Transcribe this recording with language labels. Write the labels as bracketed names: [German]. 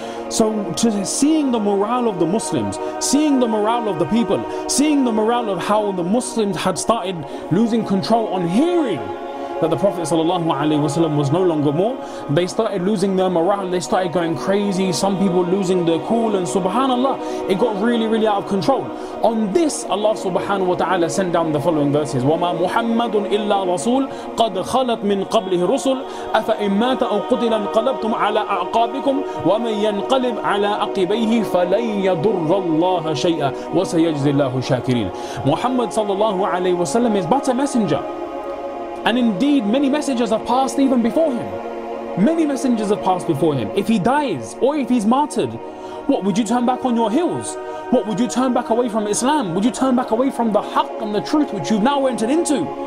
[English] So to seeing the morale of the Muslims, seeing the morale of the people, seeing the morale of how the Muslims had started losing control on hearing that the Prophet ﷺ was no longer more, they started losing their morale, they started going crazy, some people losing their cool, and subhanAllah, it got really, really out of control. On this, Allah subhanahu wa ta'ala sent down the following verses, [Arabic] وَمَا مُحَمَّدٌ إِلَّا رَسُولٌ قَدْ خَلَتْ مِنْ قَبْلِهِ رُسُلٌ أَفَإِن مَاتَ أَوْ قُتِلًا قَلَبْتُمْ عَلَىٰ أَعْقَابِكُمْ وَمَنْ يَنْقَلِبْ عَلَىٰ أَقِبَيْهِ فَلَنْ يَضُرَّ اللَّهَ شَيْئًا وَسَيَجْزِ اللَّهُ شَاكِرِينَ. [English] Muhammad sallallahu alayhi wasallam is but a messenger. And indeed, many messengers have passed even before him. Many messengers have passed before him. If he dies, or if he's martyred, what, would you turn back on your heels? What, would you turn back away from Islam? Would you turn back away from the haqq and the truth which you've now entered into?